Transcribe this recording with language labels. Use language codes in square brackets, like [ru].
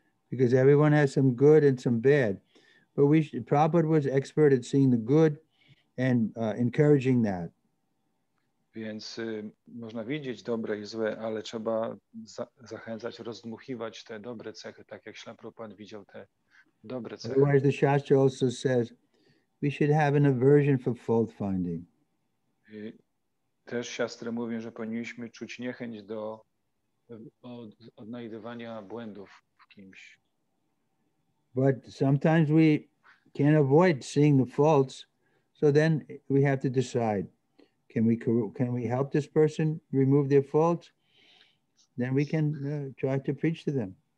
[en] Because everyone has some good and some bad. But Prabhupada was expert at seeing the good and encouraging that. [pl] Więc można widzieć dobre i złe, ale trzeba zachęcać, rozdmuchiwać te dobre cechy, tak jak Śla Prabhupada widział te dobre cechy. [en] Otherwise the Shastra also says we should have an aversion for fault finding. [pl] Też siostry mówią, że powinniśmy czuć niechęć do odnajdywania błędów w kimś. [en] But sometimes we can avoid seeing the faults. So then we have to decide, can we help this person remove their faults? Then we can try to preach to them.